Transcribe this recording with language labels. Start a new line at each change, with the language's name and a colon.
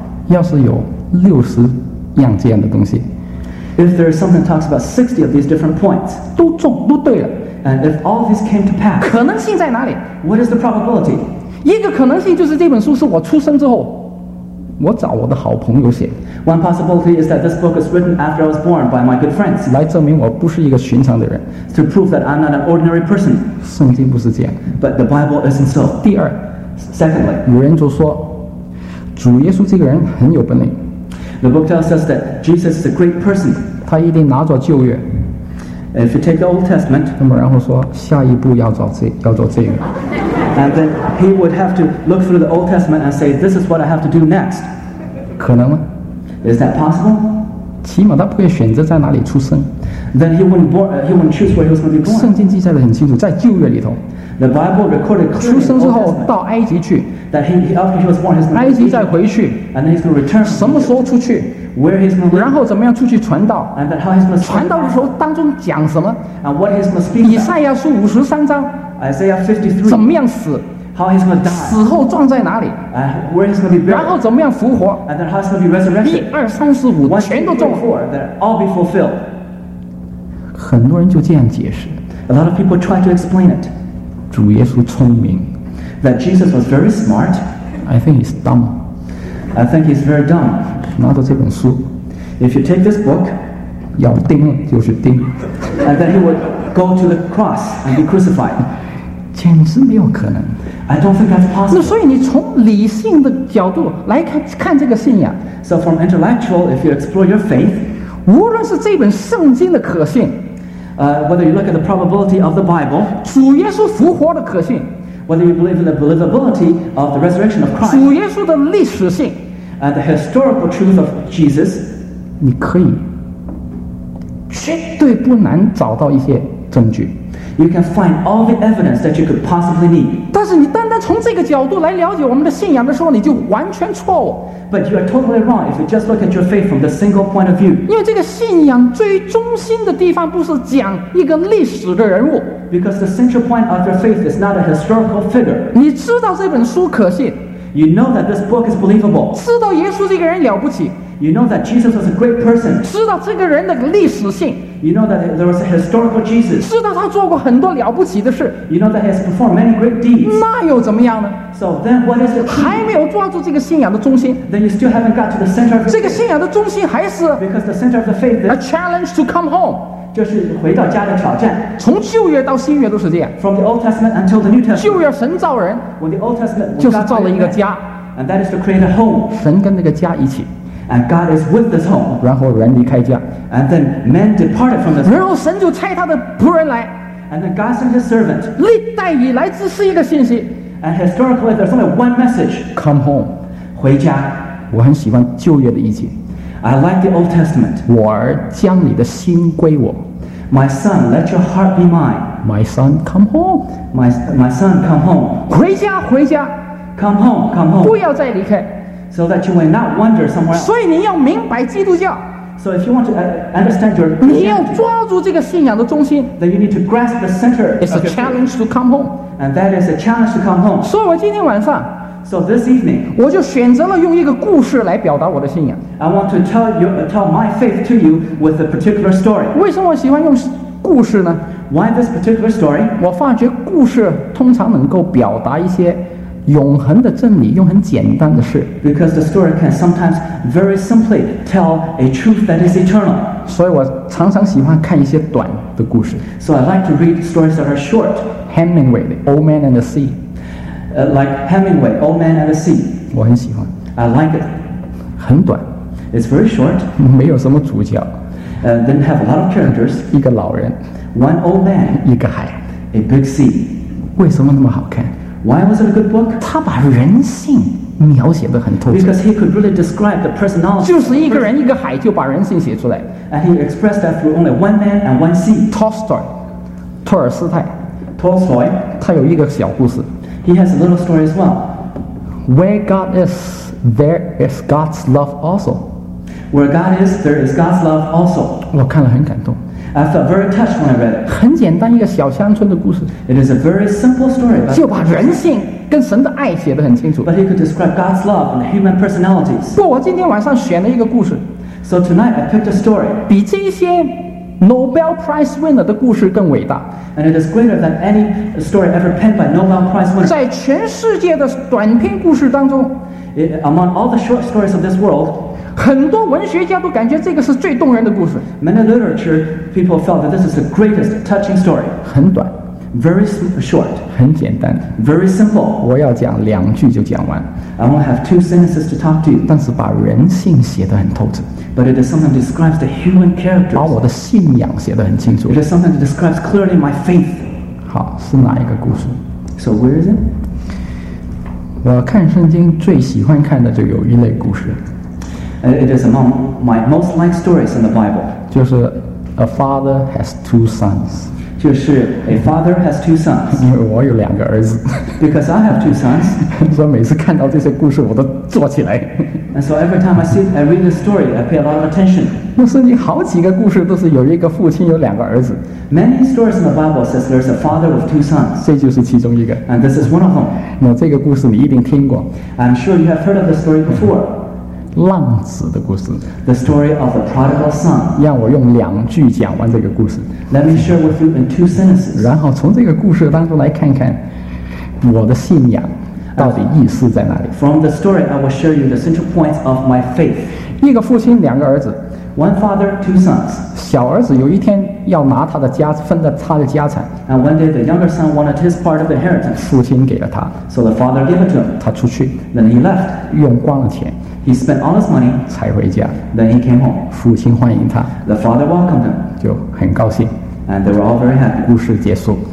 Chinese: 要是有六十样这样的东西
English: if there is something that talks about 60 of these different points
Chinese: 都中都对了
English: and if all of these came to pass
Chinese: 可能性在哪里
English: what is the probability
Chinese: 一个可能性就是这本书是我出生之后我找我的好朋友写
English: one possibility is that this book is written after I was born by my good friends
Chinese: 来证明我不是一个寻常的人
English: to prove that I'm not an ordinary person
Chinese: 圣经不是这样
English: but the Bible isn't so
Chinese: 第二
English: secondly
Chinese: 有人就说主耶稣这个人很有本领。
English: The book tells us that Jesus is a great person.
Chinese: 他一定拿着旧约。
English: If you take the Old Testament,
Chinese: 那么然后说下一步要找这要做这个。
English: And then he would have to look through the Old Testament and say, "This is what I have to do next."
Chinese: 可能吗
English: ？Is that possible?
Chinese: 起码他不会选择在哪里出生。
English: Then he wouldn't choose where he was going to be born.
Chinese: 圣经记载得很清楚，在旧约里头。
English: The Bible recorded clearly.
Chinese: 出生之后到埃及去。
English: That he after he was born, he's going to.
Chinese: 埃及再回去。
English: And then he's going to return.
Chinese: 什么时候出去
English: ？Where he's going to.
Chinese: 然后怎么样出去传道
English: ？And then how he's going to.
Chinese: 传道的时候当中讲什么
English: ？And what he's going to speak.
Chinese: 以赛亚书五十三章。
English: Isaiah 53.
Chinese: 怎么样死
English: ？How he's going to die.
Chinese: 死后葬在哪里
English: ？And where he's going to be buried.
Chinese: 然后怎么样复活
English: ？And then how he's going to be resurrected.
Chinese: 一二三四五全都中。
English: Four that all be fulfilled.
Chinese: 很多人就这样解释。
English: A lot of people try to explain it.
Chinese: 主耶稣聪明
English: that Jesus was very smart I think he's dumb I think he's very dumb
Chinese: 拿到这本书
English: if you take this book
Chinese: 要钉就是钉
English: and then he would go to the cross and be crucified
Chinese: 简直没有可能
English: I don't think that's possible
Chinese: 那所以你从理性的角度来 看这个信仰
English: so from intellectual if you explore your faith
Chinese: 无论是这本圣经的可信
English: Whether you look at the probability of the Bible,
Chinese: 主耶稣复活的可信
English: whether you believe in the believability of the resurrection of Christ,
Chinese: 主耶稣的历史性
English: and the historical truth of Jesus,
Chinese: 你可以绝对不难找到一些证据
English: you can find all the evidence that you could possibly need.
Chinese: 但是你单单从这个角度来了解我们的信仰的时候，你就完全错误
English: But you are totally wrong if you just look at your faith from the single point of view.
Chinese: 因为这个信仰最中心的地方不是讲一个历史的人物
English: Because the central point of your faith is not a historical figure.
Chinese: 你知道这本书可信
English: You know that this book is believable.
Chinese: 知道耶稣这个人了不起
English: You know that Jesus was a great person.
Chinese: 知道这个人的历史性
English: You know that there was a historical Jesus.
Chinese: 知道他做过很多了不起的事
English: You know that he has performed many great deeds.
Chinese: 那又怎么样呢
English: So then what is the key?
Chinese: 还没有抓住这个信仰的中心
English: Then you still haven't got to the center of the faith
Chinese: 这个信仰的中心还是
English: Because the center of the faith is A challenge to come home
Chinese: 就是回到家的挑战从旧约到新约都是这样
English: From the Old Testament until the New Testament
Chinese: 旧约神造人
English: When the Old Testament was
Chinese: 就是造了一个家
English: And that is to create a home
Chinese: 神跟那个家一起
English: And God is with this home
Chinese: 然后人离开家
English: And then men departed from this home
Chinese: 然后神就差他的仆人来
English: And then God sent his servant
Chinese: 历代以来只是一个信息
English: And historically, there's only one message. Come home.
Chinese: 回家。我很喜欢旧约的意境。
English: I like the Old Testament.
Chinese: 我儿将你的心归我。
English: My son, let your heart be mine. My son, come home. My son, come home.
Chinese: 回家，回家。
English: Come home, come home.
Chinese: 不要再离开。
English: So that you will not wander somewhere else.
Chinese: 所以你要明白基督教。
English: So if you want to understand your faith,
Chinese: 你要抓住这个信仰的中心。
English: Then you need to grasp the center. It's a challenge to come home. And that is a challenge to come home.
Chinese: 所以我今天晚上
English: So this evening,
Chinese: 我就选择了用一个故事来表达我的信仰。
English: I want to tell my faith to you with a particular story.
Chinese: 为什么我喜欢用故事呢
English: Why this particular story?
Chinese: 我发觉故事通常能够表达一些永恒的真理，用很简单的事。
English: Because the story can sometimes very simply tell a truth that is eternal.
Chinese: 所以我常常喜欢看一些短的故事。
English: So I like to read stories that are short. Hemingway, the Old Man and the Sea. Like Hemingway, Old Man and the Sea.
Chinese: 我很喜欢。
English: I like it.
Chinese: 很短。
English: It's very short.
Chinese: 没有什么主角。
English: didn't have a lot of characters.
Chinese: 一个老人。
English: One old man.
Chinese: 一个海。
English: A big sea.
Chinese: 为什么那么好看？
English: Why was it a good book?
Chinese: 他把人性描写得很透彻。
English: Because he could really describe the personality.
Chinese: 就是一个人一个海就把人性写出来。
English: And he expressed that through only one man and one sea.
Chinese: Tolstoy, 托尔斯泰。
English: Tolstoy.
Chinese: 他有一个小故事。
English: He has a little story as well. Where God is, there is God's love also. Where God is, there is God's love also.
Chinese: 我看了很感动。
English: I felt very touched when I read it.
Chinese: 很简单一个小乡村的故事。
English: It is a very simple story.
Chinese: 就把人性跟神的爱写得很清楚。
English: But he could describe God's love and human personalities.
Chinese: 不，我今天晚上选了一个故事。
English: So tonight I picked a story.
Chinese: 比这些 Nobel Prize winner 的故事更伟大。
English: And it is greater than any story ever penned by Nobel Prize winner.
Chinese: 在全世界的短篇故事当中
English: Among all the short stories of this world,
Chinese: 很多文学家都感觉这个是最动人的故事。
English: Many literature people felt that this is the greatest touching story.
Chinese: 很短。
English: Very short.
Chinese: 很简单。
English: Very simple.
Chinese: 我要讲两句就讲完。
English: I only have two sentences to talk to you.
Chinese: 但是把人性写得很透彻。
English: But it is something that describes the human character.
Chinese: 把我的信仰写得很清楚。
English: It is something that describes clearly my faith.
Chinese: 好，是哪一个故事？
English: So where is it?
Chinese: 我看圣经最喜欢看的就有一类故事。
English: It is among my most liked stories in the Bible.
Chinese: 就是
English: a father has two sons.
Chinese: 就是
English: a father has two sons.
Chinese: 因为我有两个儿子。
English: Because I have two sons.
Chinese: 所以每次看到这些故事，我都坐起来。
English: And so every time I read the story, I pay a lot of attention.
Chinese: 那圣经好几个故事都是有一个父亲，有两个儿子。
English: Many stories in the Bible says there's a father with two sons.
Chinese: 这就是其中一个。
English: And this is one of them.
Chinese: 那这个故事你一定听过。
English: I'm sure you have heard of the story before.
Chinese: 浪子的故事
English: The story of the prodigal son
Chinese: 让我用两句讲完这个故事
English: Let me share with you in two sentences
Chinese: 然后从这个故事当中来看看我的信仰到底意思在哪里
English: From the story I will share you the central points of my faith
Chinese: 一个父亲两个儿子
English: One father two sons
Chinese: 小儿子有一天要拿他的家分了他的家产
English: And one day the younger son wanted his part of the inheritance
Chinese: 父亲给了他
English: So the father gave it to him
Chinese: 他出去
English: Then he left
Chinese: 用光了钱
English: He spent all his money.
Chinese: 才回家。
English: Then he came home.
Chinese: 父亲欢迎他。
English: The father welcomed him.
Chinese: 就很高兴。
English: And they were all very happy.
Chinese: 故事结束。